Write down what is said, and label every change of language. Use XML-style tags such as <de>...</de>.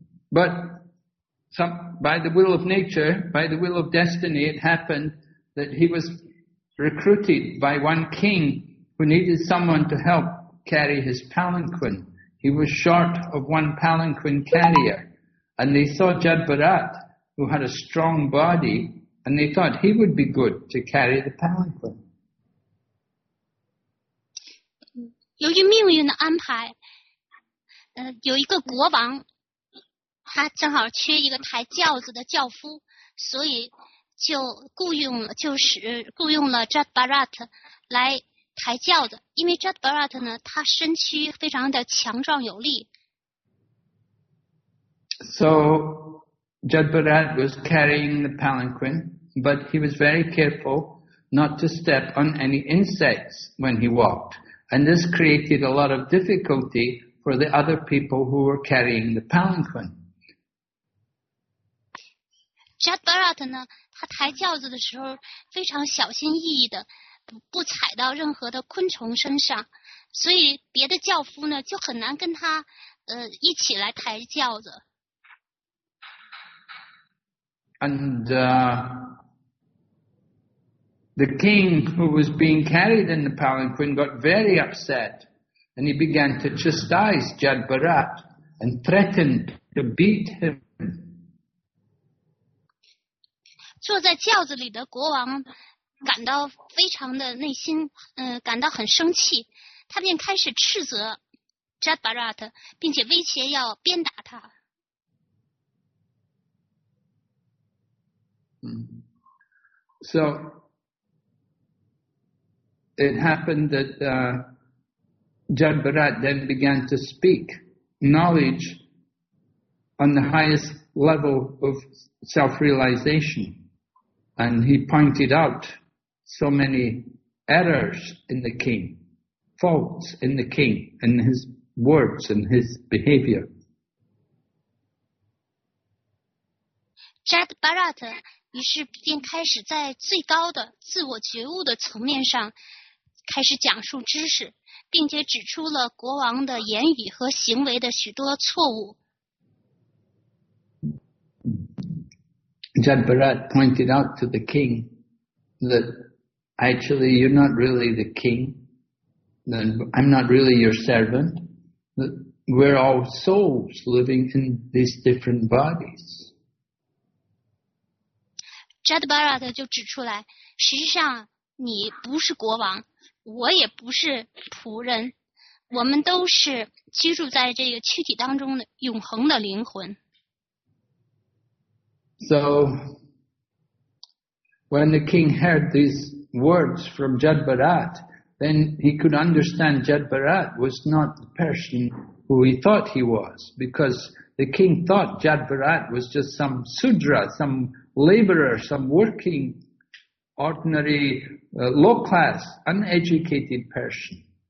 <en>But by the will of nature, by the will of destiny, it happened that he was recruited by one king who needed someone to help carry his palanquin. He was short of one palanquin carrier. And they saw Jadbarat, who had a strong body, and they thought he would be good to carry the palanquin.</en> <zh>由于命运的安排，有一个国王，他正好缺一个抬轿子的轿夫，所以就雇佣了 Jadbarat 来抬轿子。因为 Jadbarat 呢，他身躯非常的强壮有力。</zh> <en>So Jadbarat was carrying the palanquin, but he was very careful not to step on any insects when he walked. And this created a lot of difficulty for the other people who were carrying the palanquin.</en> <zh>Jadbarat 呢，他抬轿子的时候非常小心翼翼的，不踩到任何的昆虫身上，所以别的轿夫呢就很难跟他一起来抬轿子。</zh> <en>And the king who was being carried in the palanquin got very upset, and he began to chastise Jadbarat and threatened to beat him.</en> <zh>坐在轿子里的国王感到非常的内心，感到很生气，他便开始斥责 Jadbarat, 并且威胁要鞭打他。</zh> <en>So it happened that Jadbarat then began to speak knowledge on the highest level of self-realization, and he pointed out so many errors in the king, faults in the king, in his words and his behavior.</en> <zh>Jadbarat. 于是便开始在最高的自我觉悟的层面上开始讲述知识，并且指出了国王的言语和行为的许多错误。</zh> <en>Jadbarat pointed out to the king that actually you're not really the king, that I'm not really your servant, that we're all souls living in these different bodies.</en> <zh>Jad Bharat 就指出来，实际上你不是国王，我也不是仆人，我们都是居住在这个躯体当中的永恒的灵魂。</zh> <en>So, when the king heard these words from Jad Bharat, then he could understand Jad Bharat was not the person who he thought he was, because the king thought Jad Bharat was just some sudra, some laborer, some working, ordinary, low-class, uneducated person.</en>